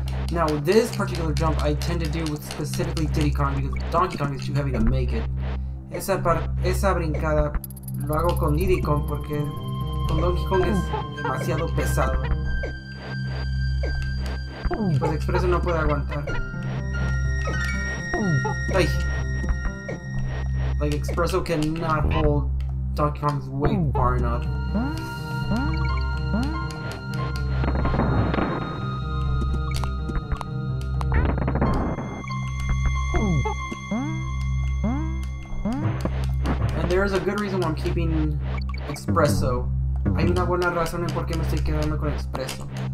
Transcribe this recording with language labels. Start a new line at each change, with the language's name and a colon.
English: Now, this particular jump I tend to do with specifically Diddy Kong because Donkey Kong is too heavy to make it.
Spanish: Esa brincada lo hago con Diddy Kong porque con Donkey Kong es demasiado pesado. Y pues Expreso no puede aguantar.
English: Ay. Like Expreso cannot hold Donkey Kong's weight far enough. There's a good reason why I'm keeping Expreso.
Spanish: Hay una buena razón en por qué me estoy quedando con Expreso.